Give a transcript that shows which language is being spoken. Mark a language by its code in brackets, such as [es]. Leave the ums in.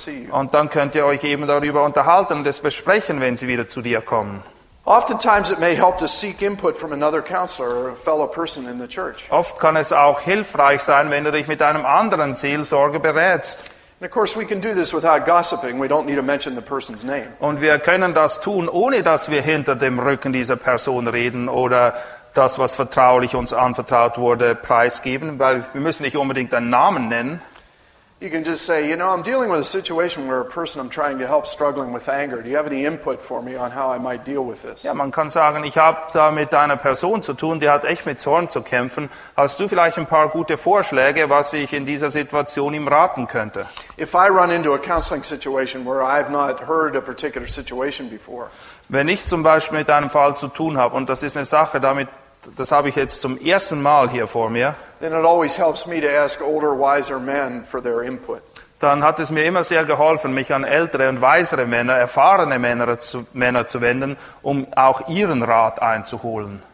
[de] Und dann könnt ihr euch eben darüber unterhalten und es besprechen, wenn sie wieder zu dir kommen. Oft kann es auch hilfreich sein, wenn du dich mit einem anderen Seelsorger berätst. [en] And of course we can do this without gossiping. We don't need to mention the person's name. [de] Und wir können das tun ohne dass wir hinter dem Rücken dieser Person reden oder das was vertraulich uns anvertraut wurde preisgeben, weil wir müssen nicht unbedingt einen Namen nennen. [en] Ja, you know, yeah, [de] man kann sagen, ich habe da mit einer Person zu tun, die hat echt mit Zorn zu kämpfen. Hast du vielleicht ein paar gute Vorschläge, was ich in dieser Situation ihm raten könnte? [en] If I run into a counseling situation where I've not heard a particular situation before. [de] Wenn ich zum Beispiel mit einem Fall zu tun habe und das ist eine Sache, damit das habe ich jetzt zum ersten Mal hier vor mir. [en] Older, [de] Dann hat es mir immer sehr geholfen, mich an ältere und weisere Männer, erfahrene Männer zu, Männer zu wenden, um auch ihren Rat einzuholen.